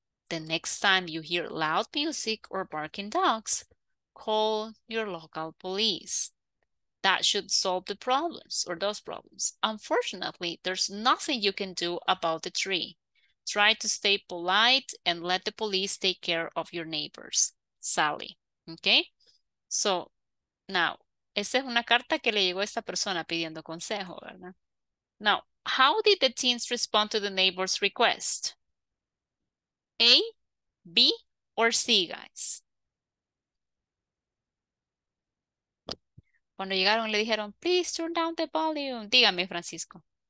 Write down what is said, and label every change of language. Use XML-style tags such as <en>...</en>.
<en>The next time you hear loud music or barking dogs, call your local police. That should solve the problems or those problems. Unfortunately, there's nothing you can do about the tree. Try to stay polite and let the police take care of your neighbors. Sally, okay?</en> <es>So, now, esa es una carta que le llegó a esta persona pidiendo consejo, ¿verdad?</es> <en>Now, how did the teens respond to the neighbor's request? A, B, or C, guys?</en> <es>Cuando llegaron, le dijeron,</es> <en>please turn down the volume.</en> <es>Dígame, Francisco.</es>